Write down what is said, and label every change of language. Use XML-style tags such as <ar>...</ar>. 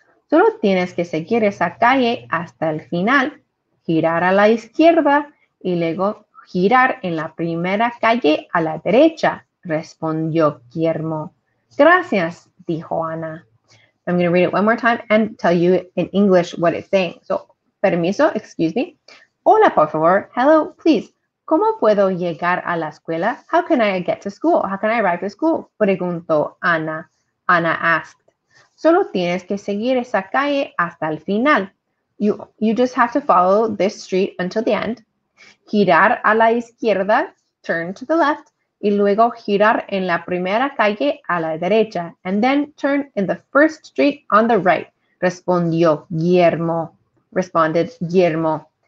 <es>Solo tienes que seguir esa calle hasta el final, girar a la izquierda y luego girar en la primera calle a la derecha, respondió Guillermo. Gracias, dijo Ana.</es> <en>I'm going to read it one more time and tell you in English what it's saying. So, permiso, excuse me.</en> <es>Hola, por favor.</es> <en>Hello, please.</en> <es>¿Cómo puedo llegar a la escuela?</es> <en>How can I get to school? How can I arrive to school?</en> <es>Preguntó Ana.</es> <en>Ana asked.</en> <es>Solo tienes que seguir esa calle hasta el final.</es> <en>You just have to follow this street until the end.</en> <es>Girar a la izquierda,</es> <en>turn to the left,</en> <es>y luego girar en la primera calle a la derecha,</es> <en>and then turn in the first street on the right, responded Guillermo.</en>